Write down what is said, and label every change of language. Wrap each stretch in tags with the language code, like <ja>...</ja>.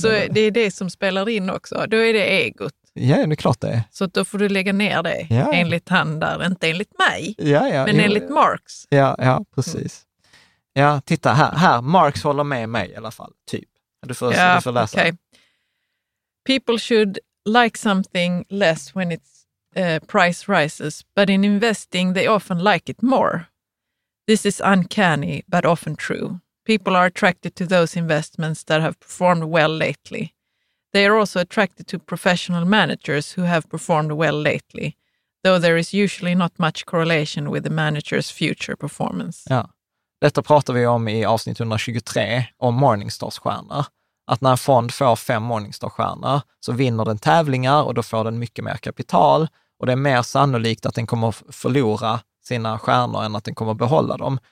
<sv>Så det är det som spelar in också. Då är det egot. Ja, det är klart det. Så då får du lägga ner det, ja. Enligt han där, inte enligt mig, ja, ja, men jo, enligt Marx. Ja, ja, precis. Mm. Ja, titta här. Marx håller med mig i alla fall, typ. Du får läsa.</sv> <en>Okay. People should like something less when its price rises, but in investing they often like it more. This is uncanny, but often true. People are attracted to those investments that have performed well lately. They are also attracted to professional managers who have performed well lately, though there is usually not much correlation with the manager's future performance.</en> <sv>Ja, detta pratar vi om i avsnitt 123 om Morningstar-stjärnor. Att när en fond får 5 Morningstar-stjärnor så vinner den tävlingar och då får den mycket mer kapital. Och det är mer sannolikt att den kommer förlora sina stjärnor än att den kommer behålla dem.</sv>